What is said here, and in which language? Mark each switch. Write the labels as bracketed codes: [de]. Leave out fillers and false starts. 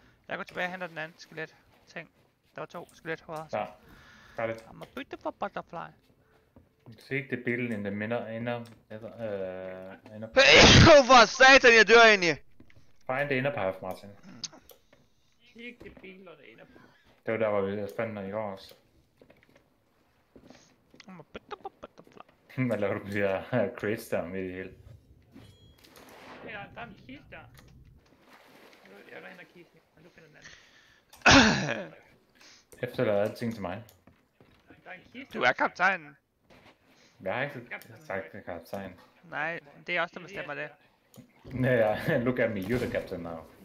[da] Jeg går tilbage og henter den anden skelet ting. Der var to skelet hoveder. Ja. Gør det. [en] I'm a beautiful butterfly. You can see the bill in the middle, inner... [da] Hey, for satan, jeg dør egentlig! [en] Find the inner path, Martin. [da] Kig det bill og det inner path. Det var der, hvor vi havde spændt i går også. [en] I'm a beautiful butterfly. [da] Hvad laver du med de her crates der midt i hele? Ja, der er en kiste der. Jeg går ind og kiste, men du finder den anden. Efterlader alle ting til mig. Du er kaptajnen. Jeg har ikke sagt det, kaptajn. Nej, det er også der bestemmer det. [en] Nej, look at me, you're the captain now.